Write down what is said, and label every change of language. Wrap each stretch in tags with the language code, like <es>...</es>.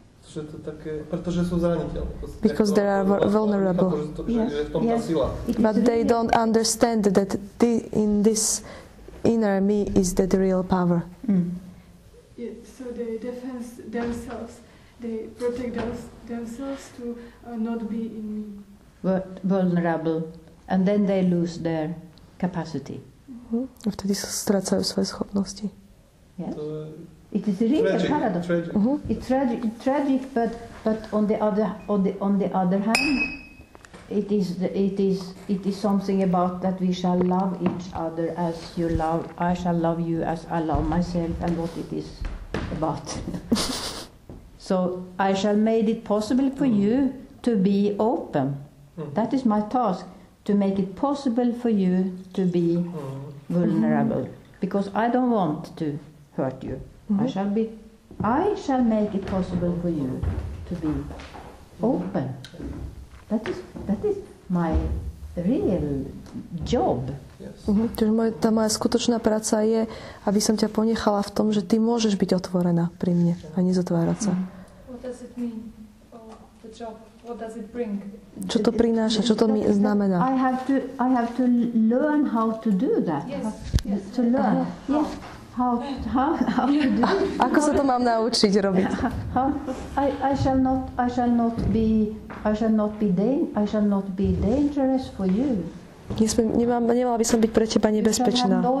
<sk>Že to také, pretože sú zraniteľné.</sk> <en>Because they are vulnerable. Yes. But they don't understand that in this inner me is the real power. Mm. Yeah, so they defend themselves. They protect themselves to not be in me. But vulnerable. And then they lose their capacity. Mm-hmm.</en> <sk>Vtedy strácajú svoje schopnosti.</sk> <en>Yes. It is really tragic, a paradox. Tragic. It's tragic, but on the other hand, it is something about that we shall love each other as you love. I shall love you as I love myself, and what it is about. So I shall make it possible for you to be open. That is my task, to make it possible for you to be vulnerable, because I don't want to hurt you. Mm-hmm. I shall make it possible for you to be open. That is my real job.</en> <sk>Čiže tá moja skutočná práca je, aby som ťa ponechala v tom, že ty môžeš byť otvorená pri mne a nezatvárať sa.</sk> <en>What does it mean? The job. What does it bring?</en> <sk>Čo to prináša? Čo to mi znamená?</sk> <en>I have to learn how to do that. Yes. To learn. How to do it?</en> <sk>Ako sa to mám naučiť robiť?</sk> <en>I shall not be dangerous for you.</en> <sk>Nemala by som byť pre teba nebezpečná.</sk>